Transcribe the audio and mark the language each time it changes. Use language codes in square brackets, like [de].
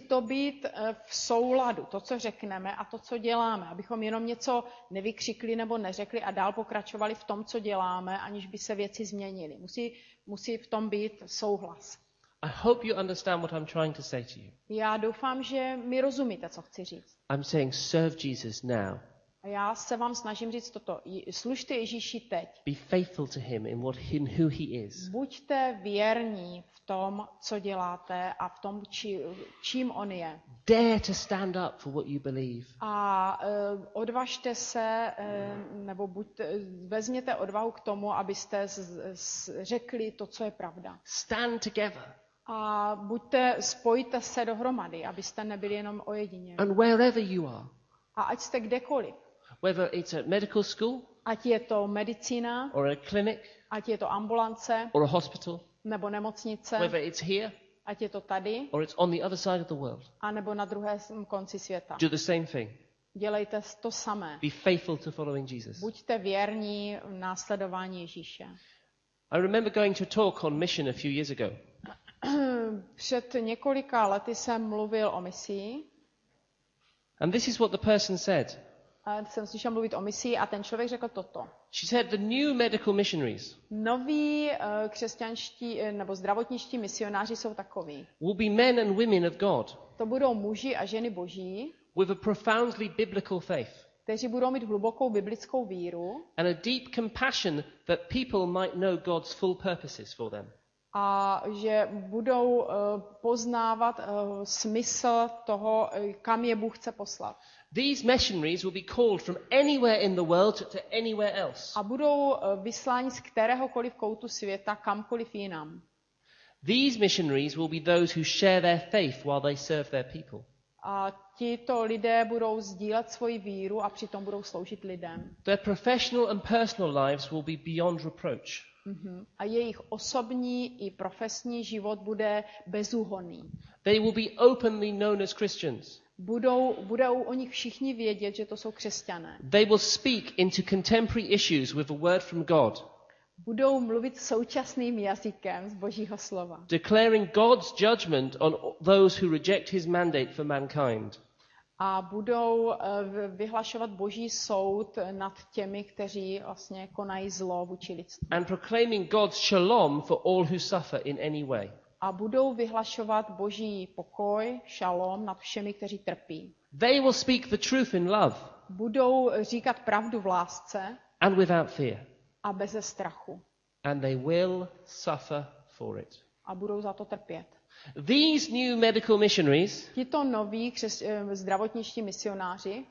[cs] to být v souladu, to, co řekneme a to, co děláme, abychom jenom něco nevykřikli nebo neřekli a dál pokračovali v tom, co děláme, aniž by se věci změnily. Musí v tom být souhlas. [en] I hope you understand what I'm trying to say to you. [cs] Já doufám, že mi rozumíte, co chci říct. [en] I'm saying serve Jesus now. [cs] Já se vám snažím říct toto. Služte Ježíši teď. [en] Be faithful to him in what him who he is. [cs] Buďte věrní v tom, co děláte a v tom, čím on je. [en] Dare to stand up for what you believe. [cs] A odvažte se nebo vezměte odvahu k tomu, abyste řekli to, co je pravda. [en] Stand together. [cs] A buďte, spojte se dohromady, abyste nebyli jenom ojedině. [en] And wherever you are. [cs] A ať jste kdekoliv. [en] Whether it's a medical school, [cs] ať je to medicína, [en] or a clinic, [cs] ať je to ambulance, [en] or a hospital, [cs] nebo nemocnice, [en] whether it's here, [cs] ať je to tady, [en] or it's on the other side of the world, [cs] a nebo na druhém konci světa. [en] Do the same thing. [cs] Dělejte to samé. [en] Be faithful to following Jesus. [cs] Buďte věrní v následování Ježíše. [en] I remember going to talk on mission a few years ago. [cs] Před několika lety jsem mluvil o misii. [en] And this is what the person said. [cs] Jsem slyšel mluvit o misii a ten člověk řekl toto. [en] She said the new medical missionaries. [cs] Noví křesťanští nebo zdravotničtí misionáři jsou takoví. [en] Will be men and women of God. [cs] To budou muži a ženy boží. [en] With a profoundly biblical faith. [cs] Kteří budou mít hlubokou biblickou víru. [en] And a deep compassion that people might know God's full purposes for them. [cs] a že budou poznávat smysl toho, kam je Bůh chce poslat. [en] These missionaries will be called from anywhere in the world to anywhere else. [cs] A budou vysláni z kteréhokoliv koutu světa kamkoliv jinam. [en] These missionaries will be those who share their faith while they serve their people. [cs] A tito lidé budou sdílet svoji víru a přitom budou sloužit lidem. [en] Their professional and personal lives will be beyond reproach. [cs] A jejich osobní i profesní život bude bezúhonný. [en] They will be openly known as Christians. [cs] Budou o nich všichni vědět, že to jsou křesťané. [en] They will speak into contemporary issues with a word from God. [cs] Budou mluvit současným jazykem z Božího slova. [en] Declaring God's judgment on those who reject his mandate for mankind. [cs] A budou vyhlašovat Boží soud nad těmi, kteří vlastně konají zlo vůči lidstvu. [en] And proclaiming God's shalom for all who suffer in any way. [cs] A budou vyhlašovat Boží pokoj, šalom, nad všemi, kteří trpí. [en] They will speak the truth in love. [cs] Budou říkat pravdu v lásce. [en] And without fear. [cs] A beze strachu. [en] And they will suffer for it. [cs] A budou za to trpět. [en] These new medical missionaries, [cs] tito noví zdravotničtí misionáři,